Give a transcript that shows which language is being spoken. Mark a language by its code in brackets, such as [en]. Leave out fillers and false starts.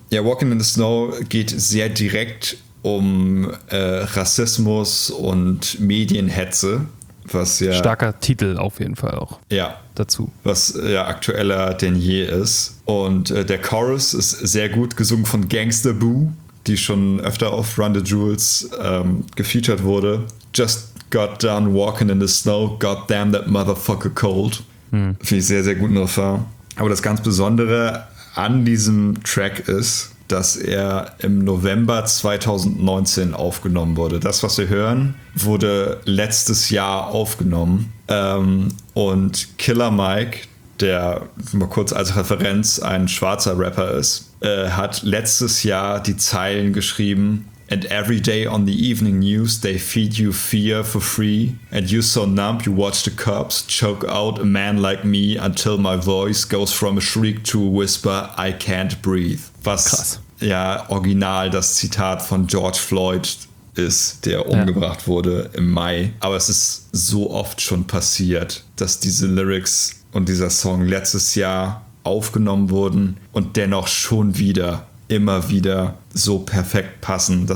[de] Ja, Walking in the Snow geht sehr direkt um Rassismus und Medienhetze, was ja... Starker Titel auf jeden Fall auch. Ja. Dazu. Was ja aktueller denn je ist. Und der Chorus ist sehr gut gesungen von Gangsta Boo, die schon öfter auf Run the Jewels gefeatured wurde. [en] Just got done walking in the snow, goddamn that motherfucker cold. Hm. [de] Finde ich sehr, sehr gut in Refrain. Aber das ganz Besondere an diesem Track ist, dass er im November 2019 aufgenommen wurde. Das, was wir hören, wurde letztes Jahr aufgenommen. Und Killer Mike, der mal kurz als Referenz ein schwarzer Rapper ist, hat letztes Jahr die Zeilen geschrieben: [en] "And every day on the evening news, they feed you fear for free. And you're so numb, you watch the cops choke out a man like me until my voice goes from a shriek to a whisper, I can't breathe." [de] Was krass. Ja, original das Zitat von George Floyd ist, der umgebracht wurde im Mai. Aber es ist so oft schon passiert, dass diese Lyrics und dieser Song letztes Jahr aufgenommen wurden und dennoch schon wieder, immer wieder so perfekt passen.